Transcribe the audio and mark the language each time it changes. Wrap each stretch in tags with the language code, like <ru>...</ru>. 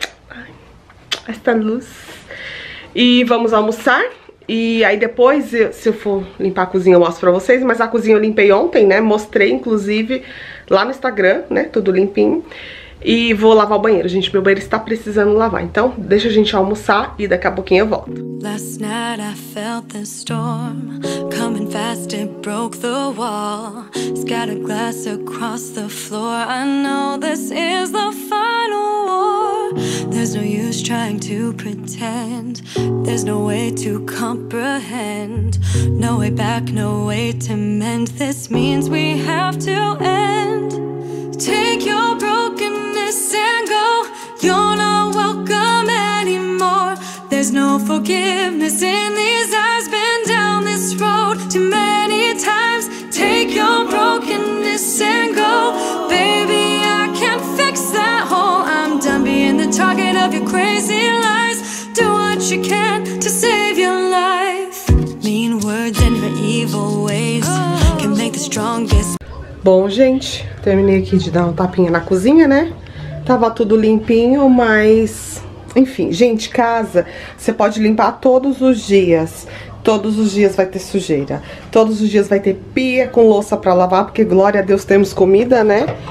<pt>Ai, esta luz. E vamos almoçar. E aí depois, se eu for limpar a cozinha, eu mostro pra vocês. Mas a cozinha eu limpei ontem, né? Mostrei, inclusive, lá no Instagram, né? Tudo limpinho. E vou lavar o banheiro, gente. Meu banheiro está precisando lavar. Então, deixa a gente almoçar e daqui a pouquinho eu volto.</pt> <en>Last night I felt the storm coming fast, it broke the wall. Scattered glass across the floor. I know this is the final war. There's no use trying to pretend. There's no way to comprehend. No way back, no way to mend. This means we have to end. Take your brokenness and go. You're not welcome anymore. There's no forgiveness in these eyes. Been down this road too many times. Take your brokenness and go. Baby, I can't fix that hole. I'm done being. talking of your crazy lies. Do what you can to save your life. Mean words and your evil ways can make the strongest.</en> <pt>Bom, gente, terminei aqui de dar um tapinha na cozinha, né? Tava tudo limpinho, mas... Enfim, gente, casa, você pode limpar todos os dias. Todos os dias vai ter sujeira. Todos os dias vai ter pia com louça pra lavar, porque, glória a Deus, temos comida, né?</pt>